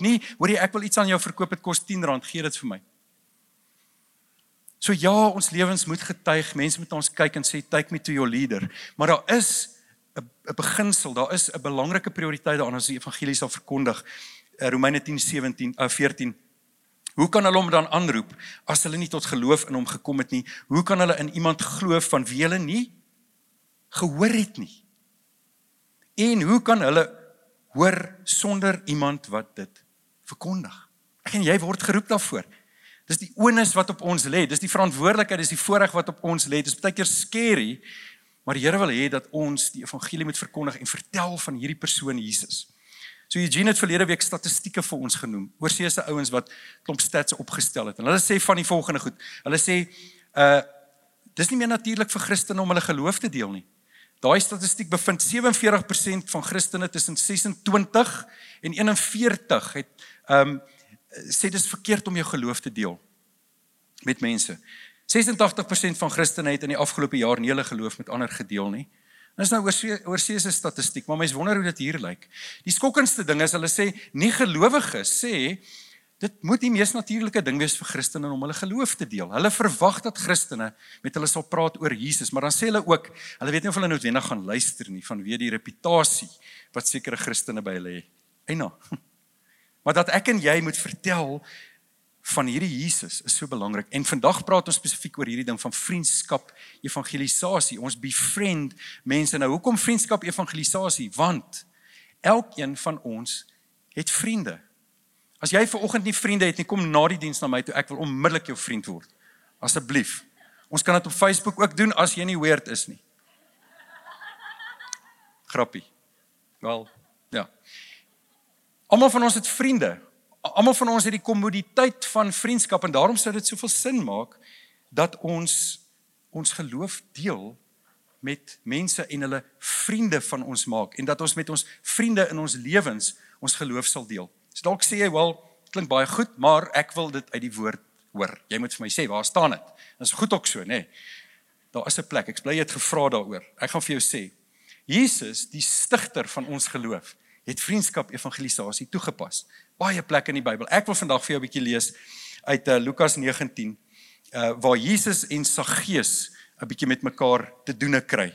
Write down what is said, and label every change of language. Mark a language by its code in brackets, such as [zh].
[af] Nie, hoor jy, ek wil iets aan jou verkoop, dit kos R10, gee dit vir my. So ja, ons lewens moet getuig, mense moet ons kyk en sê, [en] take me to your leader. [af] Maar daar is 'n beginsel, daar is 'n belangrike prioriteit daaraan as die evangelie sal verkondig. Romeine 10, 17, 14. Hoe kan hulle hom dan aanroep, as hulle nie tot geloof in hom gekom het nie? Hoe kan hulle in iemand glo van wie hulle nie gehoor het nie? En hoe kan hulle hoor sonder iemand wat dit verkondig? Ek en jy word geroep daarvoor. Dis die onus wat op ons lê, dis die verantwoordelikheid, dis die voorreg wat op ons lê. Dis baie keer scary, maar die Here wil hê dat ons die evangelie moet verkondig en vertel van hierdie persoon Jesus. So Eugene het verlede week statistieke vir ons genoem, oor seese ouens wat klomp stats opgestel het. En hulle sê van die volgende goed, hulle sê, dis nie meer natuurlik vir Christene om hulle geloof te deel nie. Daai statistiek bevind 47% van Christene tussen 26 en 41 het, sê dis verkeerd om jou geloof te deel met mense. 86% van Christene het in die afgelope jaar nie hulle geloof met ander gedeel nie. Dit is nou oorseese statistiek, maar mense wonder hoe dit hier lyk. Die skokkendste ding is, hulle sê, nie gelowiges sê, dit moet die mees natuurlike ding wees vir Christene om hulle geloof te deel. Hulle verwag dat Christene met hulle sal praat oor Jesus, maar dan sê hulle ook, hulle weet nie of hulle noodwendig gaan luister nie, vanweë die reputasie wat sekere Christene by hulle hê. Eina. Maar dat ek en jy moet vertel van hierdie Jesus is so belangrik. En vandag praat ons spesifiek oor hierdie ding van vriendskap evangelisasie. Ons befriend mense. Nou, hoekom vriendskap evangelisasie? Want elkeen van ons het vriende. As jy vanoggend nie vriende het nie, kom na die diens na my toe. Ek wil onmiddellik jou vriend word. Asseblief. Ons kan dit op Facebook ook doen as jy nie weird is nie. Grappie. Wel, ja. Almal van ons het vriende. Almal van ons het die kommoditeit van vriendskap en daarom sou dit soveel sin maak dat ons geloof deel met mense en hulle vriende van ons maak en dat ons met ons vriende in ons lewens ons geloof sal deel. So dalk sê jy, wel, klink baie goed, maar ek wil dit uit die woord hoor. Jy moet vir my sê, waar staan dit? Dit is goed ook so, nee. Daar is 'n plek, ek bly jy het gevra daaroor. Ek gaan vir jou sê, Jesus, die stigter van ons geloof, het vriendskap evangelisasie toegepas. Baie plek in die Bybel. Ek wil vandag vir jou 'n bietjie lees uit Lukas 19, waar Jesus en Saggeus 'n bietjie met mekaar te doen kry.